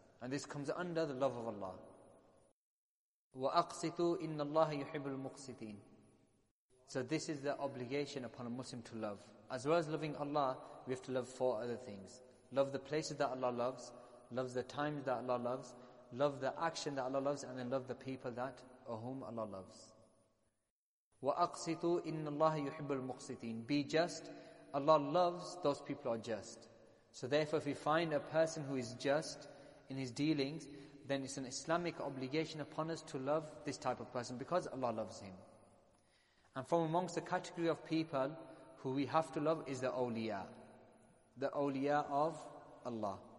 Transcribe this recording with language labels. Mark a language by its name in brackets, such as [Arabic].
[English] And this comes under the love of Allah. [Arabic] وَأَقْسِطُوا إِنَّ اللَّهَ يُحِبُّ الْمُقْسِطِينَ. [English] So this is the obligation upon a Muslim to love. As well as loving Allah, we have to love four other things. Love the places that Allah loves, love the times that Allah loves, love the action that Allah loves, and then love the people that or whom Allah loves. [Arabic] وَأَقْسِطُوا إِنَّ اللَّهَ يُحِبُّ الْمُقْسِطِينَ. [English] Be just. Allah loves those people who are just. So therefore if we find a person who is just in his dealings, then it's an Islamic obligation upon us to love this type of person because Allah loves him. And from amongst the category of people who we have to love is the awliya of Allah.